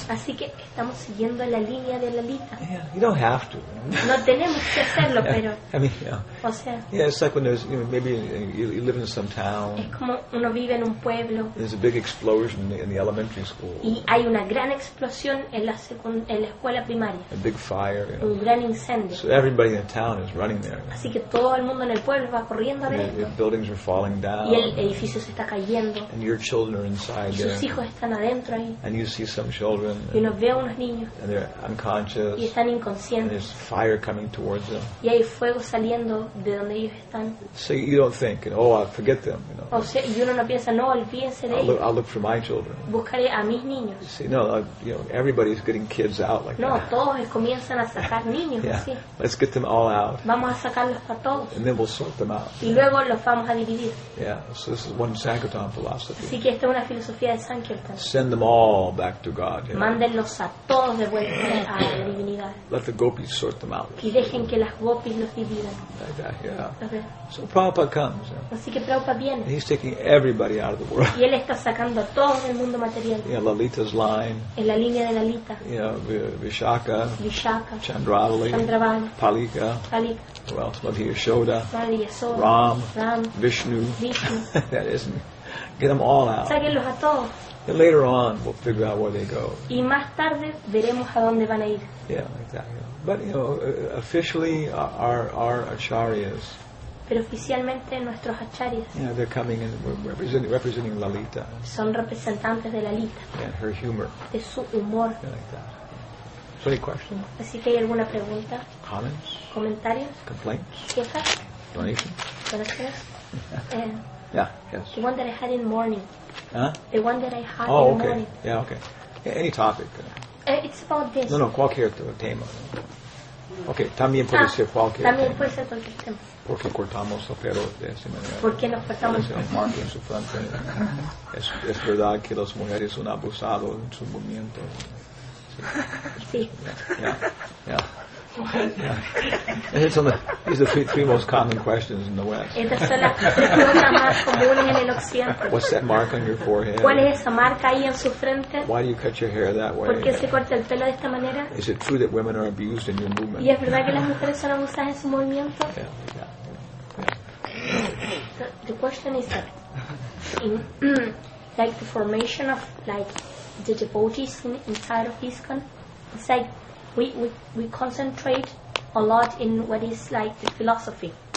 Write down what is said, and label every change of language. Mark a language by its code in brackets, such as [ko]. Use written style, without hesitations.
[es] Así que estamos siguiendo la línea de Lalita. [en] Yeah, you don't have to. [es] No tenemos que hacerlo, pero. [en] I mean, yeah. [es] O sea. [en] Yeah, it's like when there's, you know, maybe you live in some town. [es] Es como uno vive en un pueblo. [en] There's a big explosion in the elementary school. [es] Y hay una gran explosión en la escuela primaria. [en] A big fire. You know. [es] Un gran incendio. [en] So everybody in the town is running there. [es] Así que todo el mundo en el pueblo va corriendo a ver. [en] The buildings are falling. falling down. [es] Y el edificio se está cayendo. [en] And your children are inside. [es] Y sus hijos están adentro ahí. [en] And you see some children. [es] Y uno ve a unos niños. [en] And they're unconscious. [es] Y están inconscientes. [en] And there's fire coming towards them. [es] Y hay fuego saliendo de donde ellos están. [en] So you don't think, oh, I'll forget them. You know. [es] O sea, y uno no piensa, no, olvídense de ellos. [en] I'll look for my children. [es] Buscaré a mis niños. [en] See, no, you know, everybody's getting kids out like [es] no, [en] that. [es] No, todos comienzan a sacar niños. [en] Yeah. [es] Así. [en] Let's get them all out. [es] Vamos a sacarlos para todos. [en] And then we'll sort them out. [es] Y luego los vamos a dividir. [en] Yeah, so this is one Sankirtan philosophy. [es] Así que esta es una filosofía de Sankirtan. [en] Send them all back to God. You know. [es] Mándenlos a todos de vuelta a la divinidad. [en] Let the gopis sort them out. [es] Y dejen que las gopis los dividan. [en] Like that, yeah. Okay. So Prabhupada comes. Yeah. [es] Así que Prabhupada viene. [en] And he's taking everybody out of the world. [es] Y él está sacando a todos del mundo material. [en] Yeah, Lalita's line. [es] En la línea de Lalita. [en] You know, Vishaka. [es] Vishaka. [en] Chandravali. [es] Chandravali. [en] Palika. [es] Palika. [en] Well, Madhya Yashoda, Ram, Vishnu, that isn't. Get them all out. [es] Sáquenlos a todos. [en] And later on, we'll figure out where they go. [es] Y más tarde veremos a dónde van a ir. [en] Yeah, exactly. But you know, officially, our acharyas. [es] Pero oficialmente nuestros acharyas. [en] Yeah, they're coming and representing Lalita. [es] Son representantes de Lalita. [en] And her humor. [es] De su humor. [en] Yeah, like that. So any questions? [es] Así que hay alguna pregunta. [en] Comments. [es] Comentarios. [en] Complaints. [es] Quejas. [en] Donations. [es] Donaciones. [en] Yeah, yes. The one that I had in morning. Huh? The one that I had oh, in okay. morning. Oh, okay. Yeah, okay. Yeah, any topic. It's about this. [es] No, cualquier tema. Okay, también puede ser cualquier tema. También puede ser cualquier tema. Porque cortamos los perros de esa manera. Porque nos cortamos los perros. En su frente. Es verdad que las mujeres son abusadas en su movimiento. Sí. Sí. Yeah, [en] yeah. Yeah. Yeah. It's on the, these are the three most common questions in the West. What's that mark on your forehead? ¿Cuál es esa marca ahí en su frente? Why do you cut your hair that way? ¿Por qué se corta el pelo de esta manera? Is it true that women are abused in your movement? ¿Y es verdad que las mujeres son abusadas en su movimiento? Yeah, yeah, yeah. The question is that in, like the formation of like the devotees inside of ISKCON, it's like we concentrate a lot in what is like the philosophy.